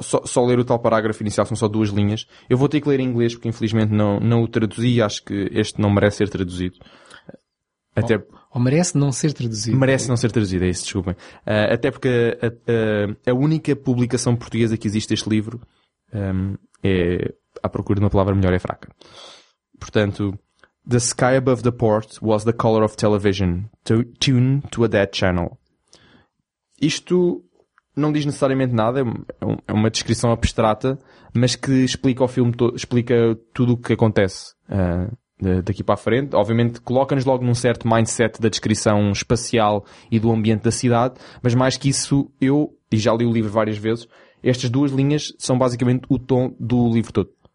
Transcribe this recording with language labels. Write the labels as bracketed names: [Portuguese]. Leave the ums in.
[Portuguese] só, só, ler o tal parágrafo inicial, são só duas linhas. Eu vou ter que ler em inglês porque infelizmente não, não o traduzi e acho que este não merece ser traduzido. Bom, até... Ou, merece não ser traduzido. Merece é. não ser traduzido, é isso, desculpem. Uh, até porque a, a, a, única publicação portuguesa que existe este livro um, é, à procura de uma palavra melhor, é fraca. Portanto, [English] The sky above the port was the color of television, tuned to a dead channel. [Portuguese] Isto não diz necessariamente nada, é uma descrição abstrata, mas que explica o filme, explica tudo o que acontece uh, daqui para a frente. Obviamente coloca-nos logo num certo mindset da descrição espacial e do ambiente da cidade, mas mais que isso, eu, e já li o livro várias vezes, estas duas linhas são basicamente o tom do livro todo.